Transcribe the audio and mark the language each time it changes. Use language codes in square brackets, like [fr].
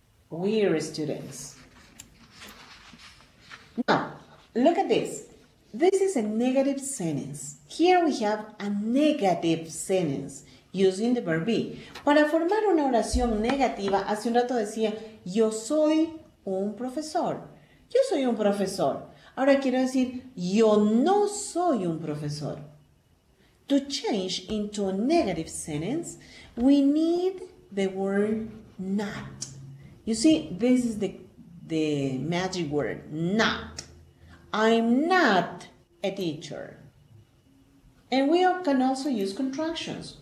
[en] We're students. Now, look at this. This is a negative sentence. Here we have a negative sentence using the verb be. [es] Para formar una oración negativa, hace un rato decía, yo soy un profesor. Yo soy un profesor. Ahora quiero decir, yo no soy un profesor. [en] To change into a negative sentence, we need the word not. You see, this is the magic word, not. I'm not a teacher. And we can also use contractions.